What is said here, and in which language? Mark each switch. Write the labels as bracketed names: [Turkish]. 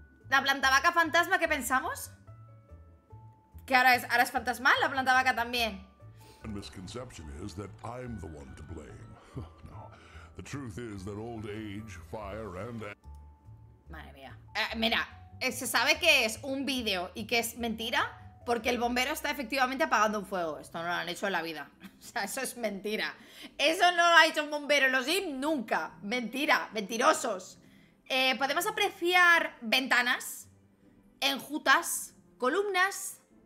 [Spanish] La planta vaca fantasma, ¿qué pensamos? Que ahora es fantasmal la planta vaca también. [English] The misconception is that I'm the one to blame. No. The truth is that old age, fire and [Spanish] madre mía. Mira, se sabe que es un vídeo y que es mentira porque el bombero está efectivamente apagando un fuego. Esto no lo han hecho en la vida. O sea, eso es mentira. Eso no lo ha hecho un bombero en los Sims nunca. Mentira, mentirosos. Podemos apreciar ventanas, enjutas, columnas.